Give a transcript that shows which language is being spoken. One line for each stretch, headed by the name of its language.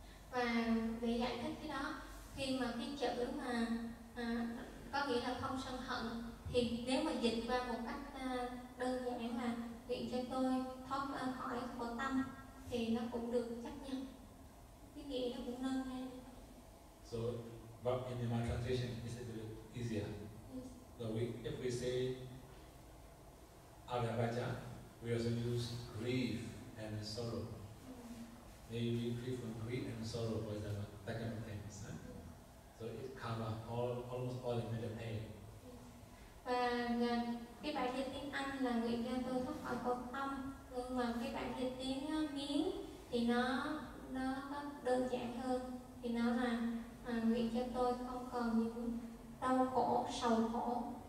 Vietnamese: Và để giải thích cái đó, khi mà cái chữ mà có nghĩa là không sân hận, thì nếu mà dịch qua một cách đơn giản là nguyện cho tôi thoát khỏi khổ tâm, thì nó cũng được chấp nhận. Cái nghĩa nó cũng nâng lên.
English: So, but in my translation, it's a bit easier. Yes. So we, if we say abhyapaccha, we also use grief and sorrow. Maybe mm-hmm. grief from grief and sorrow, for example, that kind of thing. Huh? Mm-hmm. So it covers almost all the mental pain.
Vietnamese: Và cái bài dịch tiếng Anh là nguyện cho tôi thoát khỏi khổ tâm, nhưng mà cái bài dịch tiếng Miến thì nó đơn giản hơn, thì nó là nguyện cho tôi không còn những đau khổ, sầu khổ.